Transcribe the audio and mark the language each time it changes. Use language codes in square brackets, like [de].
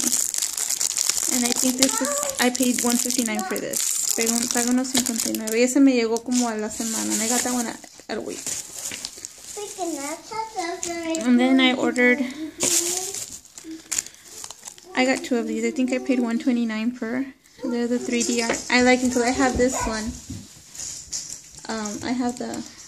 [en] And I think this is, I paid $1.59 for this. [es] Pago unos $1.59. Y ese me llegó como a la semana. [en] I got that one at a week. And then I ordered, I got two of these. I think I paid $1.29 per. They're the 3D art. I like them because I have this one. I have the...